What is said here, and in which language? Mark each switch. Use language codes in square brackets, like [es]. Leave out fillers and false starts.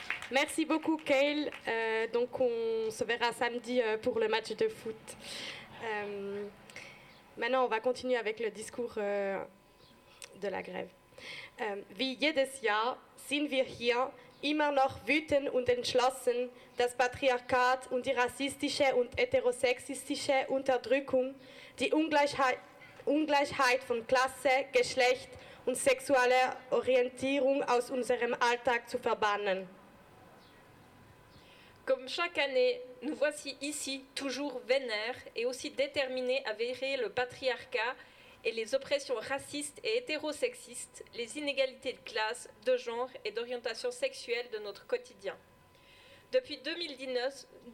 [fr] Merci beaucoup, Kael. Donc, on se verra samedi pour le match de foot. Maintenant, on va continuer avec le discours de la grève. [de] Wie jedes Jahr sind wir hier immer noch wütend und entschlossen, das Patriarchat und die rassistische und heterosexistische Unterdrückung, die Ungleichheit von Klasse, Geschlecht und sexueller Orientierung aus unserem Alltag zu verbannen. [fr] Comme chaque année, nous voici ici toujours vénères et aussi déterminés à virer le patriarcat et les oppressions racistes et hétérosexistes, les inégalités de classe, de genre et d'orientation sexuelle de notre quotidien. Depuis 2019,